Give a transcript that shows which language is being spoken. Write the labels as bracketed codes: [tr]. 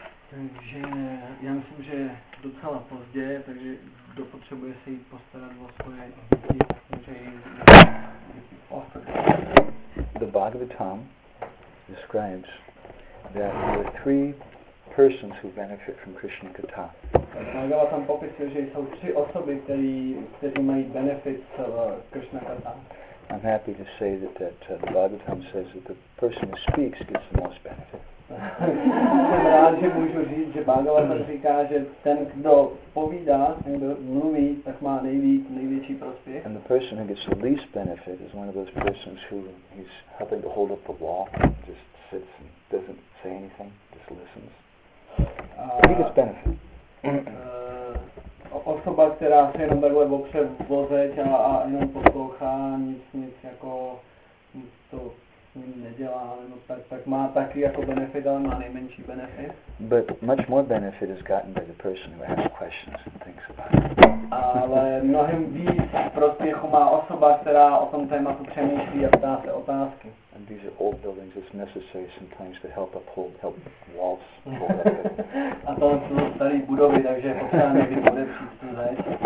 [cs] Takže já myslím, že docela pozdě, takže kdo potřebuje se jít postarat o svoje děti, může jít [en] The Bhagavatam describes that there are three persons who benefit from Krishna Katha. [cs] Bhagavatam popisuje, že jsou tři osoby, které mají benefit z Krishna Katha. [en] I'm happy to say that the Bhagavatam says that the person who speaks gets the most benefit. [cs] Jsem rád, že můžu říct, že Bhagavatam říká, že ten, kdo povídá, ten, kdo mluví, tak má největší prospěch. [en] And the person who gets the least benefit is one of those persons who he's helping to hold up the wall, just sits and doesn't say anything, just listens. He gets benefit. [cs] Osoba, která se jenom takhle opře v voze a jenom poslouchá, nic jako nic to nedělá, no tak má taky jako benefit, ale má nejmenší benefit. [en] But much more benefit is gotten by the person who asks questions and thinks about it. [cs] Ale mnohem víc prospěchu má osoba, která o tom tématu přemýšlí a ptá se otázky. [en] And these are old buildings, it's necessary sometimes to help uphold, help walls. [cs] A to jsou staré budovy, takže je potřeba někdy podepřít tu zeď.